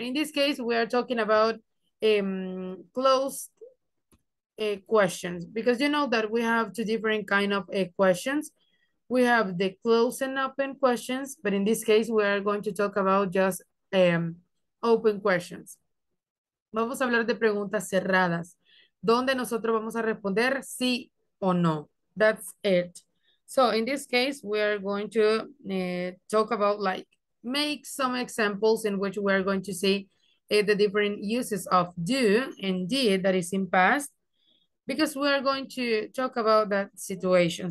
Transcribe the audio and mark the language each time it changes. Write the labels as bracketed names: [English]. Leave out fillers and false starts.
[English] In this case, we are talking about closed questions, because you know that we have two different kind of questions. We have the closed and open questions, but in this case, we are going to talk about just open questions. [Spanish] Vamos a hablar de preguntas cerradas, donde nosotros vamos a responder sí o no. [English] That's it. So in this case, we are going to talk about, like, make some examples in which we are going to see the different uses of do and did that is in past, because we are going to talk about that situation.